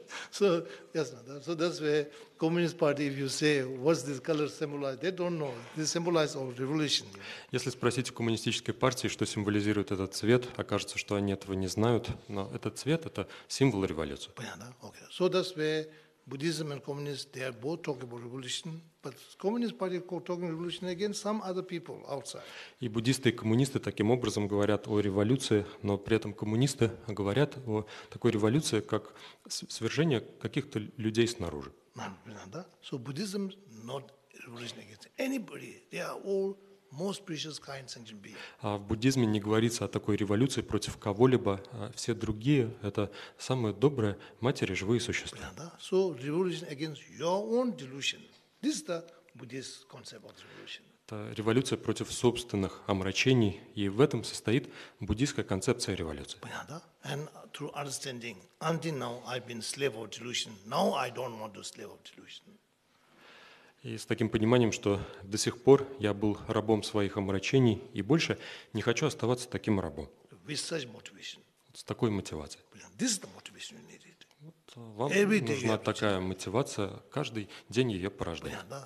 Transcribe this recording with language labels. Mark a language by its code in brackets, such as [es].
[en] So that's where Communist Party, if you say, what's this color symbolize, they don't know. This symbolize of revolution. [ru] Если спросить у коммунистической партии, что символизирует этот цвет, окажется, что они этого не знают, но этот цвет – это символ революции. Понятно, [en] okay. So that's where Buddhism and communists, they are both talking about revolution, but communist party talking revolution against some other people outside. [ru] И буддисты и коммунисты таким образом говорят о революции, но при этом коммунисты говорят о такой революции, как свержение каких-то людей снаружи. [en] So Buddhism not revolution against anybody. They are all most precious kind sentient being. [ru] А в буддизме не говорится о такой революции против кого-либо. Все другие – это самые добрые матери, живые существа. [en] Yeah, [ru] да? [en] So revolution against your own delusion. This is the Buddhist concept of revolution. [ru] Это революция против собственных омрачений, и в этом состоит буддийская концепция революции. Понятно? [en] And through understanding, until now I've been slave of delusion. Now I don't want to slave of delusion. [ru] И с таким пониманием, что до сих пор я был рабом своих омрачений, и больше не хочу оставаться таким рабом. [en] With such motivation. [ru] С такой мотивацией. [en] This is the motivation you need. [ru] Вам [en] every [ru] нужна такая мотивация, каждый день ее порождает.